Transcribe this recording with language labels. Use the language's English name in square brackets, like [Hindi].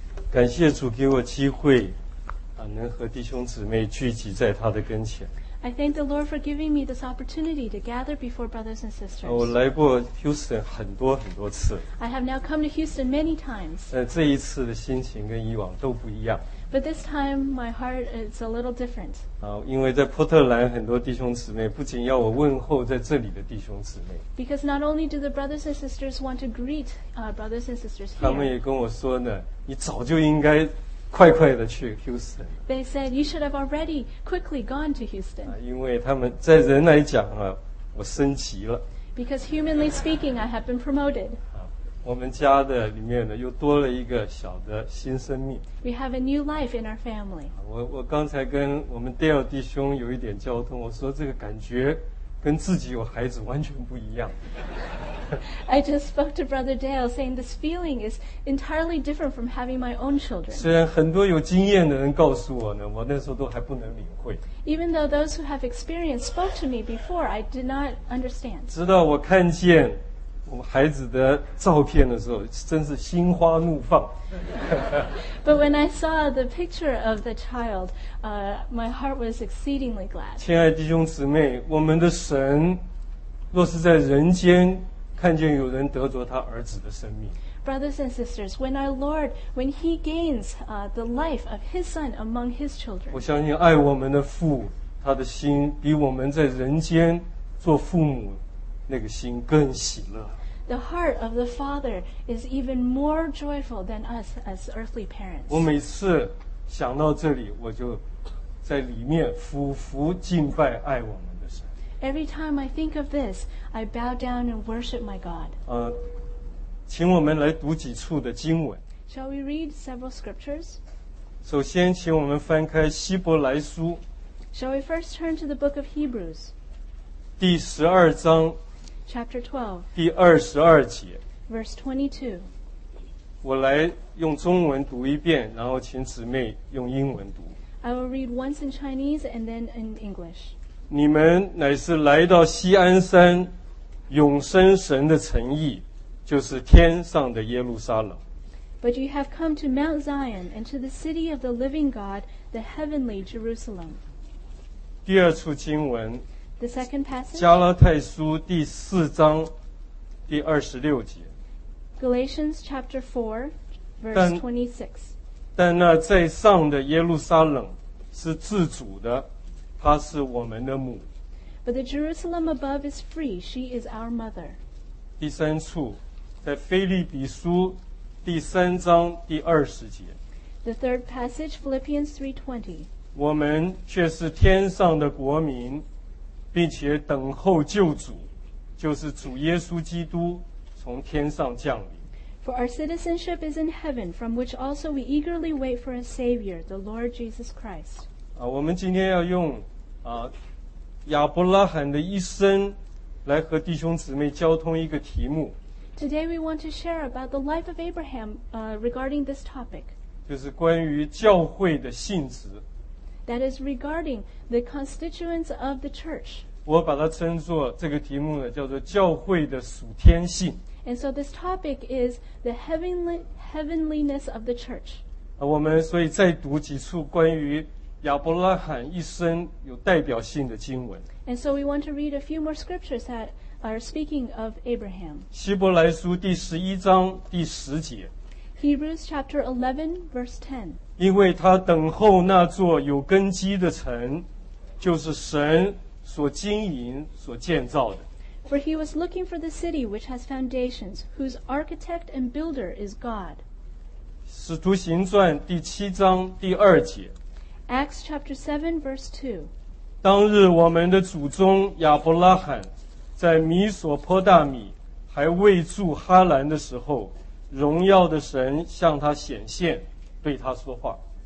[Chinese] 感谢主给我机会，能和弟兄姊妹聚集在他的跟前。 [English] I thank the Lord for giving me this opportunity to gather before brothers and sisters. [Chinese] 我来过 Houston 很多很多次。 [English] I have now come to Houston many times. [Chinese] 这一次的心情跟以往都不一样。 [English] But this time, my heart is a little different. [Chinese] 因为在波特兰很多弟兄姊妹不仅要我问候在这里的弟兄姊妹。 [English] Because not only do the brothers and sisters want to greet brothers and sisters here. [Chinese] 他们也跟我说呢，你早就应该快快的去 Houston. [English] They said you should have already quickly gone to Houston. [Chinese] 因为他们在人来讲啊，我升级了。 [English] Because humanly speaking, I have been promoted. [Chinese] 我们家的里面呢，又多了一个小的新生命。 [English] We have a new life in our family. [Chinese] 我刚才跟我们 Dale 弟兄有一点交通，我说这个感觉跟自己有孩子完全不一样。 [English] I just spoke to Brother Dale saying this feeling is entirely different from having my own children. [Chinese] 虽然很多有经验的人告诉我呢，我那时候都还不能领会。 [English] Even though those who have experience spoke to me before, I did not understand. [Chinese] 直到我看见我孩子的照片的时候，真是心花怒放。 [English] But when I saw the picture of the child, my heart was exceedingly glad. [Chinese] 亲爱弟兄姊妹，我们的神若是在人间看见有人得着他儿子的生命。 [English] Brothers and sisters, when our Lord, when he gains the life of his son among his children. [Chinese] 我相信爱我们的父，他的心比我们在人间做父母那个心更喜乐。 [English] The heart of the Father is even more joyful than us as earthly parents. [Chinese] 我每次想到这里，我就在里面俯伏敬拜爱我们。 [English] Every time I think of this, I bow down and worship my God. [Chinese] 请我们来读几处的经文。 [English] Shall we read several scriptures? [Chinese] 首先，请我们翻开希伯来书。 [English] Shall we first turn to the book of Hebrews? [Chinese] 第十二章。 [English] Chapter 12. [Chinese] 第二十二节。 [English] Verse 22. [Chinese] 我来用中文读一遍，然后请姊妹用英文读。 [English] I will read once in Chinese and then in English. [Chinese] 你们乃是来到锡安山永生神的城邑，就是天上的耶路撒冷。 [English] But you have come to Mount Zion and to the city of the living God, the heavenly Jerusalem. [Chinese] 第二处经文 [English] The second passage [Chinese] 加拉太书第四章第二十六节 [English] Galatians chapter 4 verse 26 [Chinese] 但那在上的耶路撒冷是自主的，她是我们的母。 [English] But the Jerusalem above is free. She is our mother. [Chinese] 第三处，在腓立比书第三章第二十节。 [English] The third passage, Philippians 3:20. [Chinese] 我们却是天上的国民，并且等候救主，就是主耶稣基督从天上降临。 [English] For our citizenship is in heaven, from which also we eagerly wait for a Savior, the Lord Jesus Christ. [Chinese] 我们今天要用亚伯拉罕的一生来和弟兄姊妹交通一个题目。 [English] Today we want to share about the life of Abraham, regarding this topic. [Chinese] 就是关于教会的性质。 [English] That is regarding the constituents of the church. [Chinese] 我把它称作这个题目呢，叫做教会的属天性。 [English] And so this topic is the heavenliness of the church. [Chinese] 我们所以再读几处关于亚伯拉罕一生有代表性的经文。 [English] And so we want to read a few more scriptures that are speaking of Abraham. [Chinese] 希伯来书第十一章第十节。 [English] Hebrews chapter 11 verse 10. [Chinese] 因为他等候那座有根基的城，就是神所经营所建造的。 [English] For he was looking for the city which has foundations, whose architect and builder is God. [Chinese] 使徒行传第七章第二节。 [English] Acts chapter 7 verse 2. [Chinese] 当日我们的祖宗亚伯拉罕在米索坡大米还未住哈兰的时候，荣耀的神向他显现，对他说话。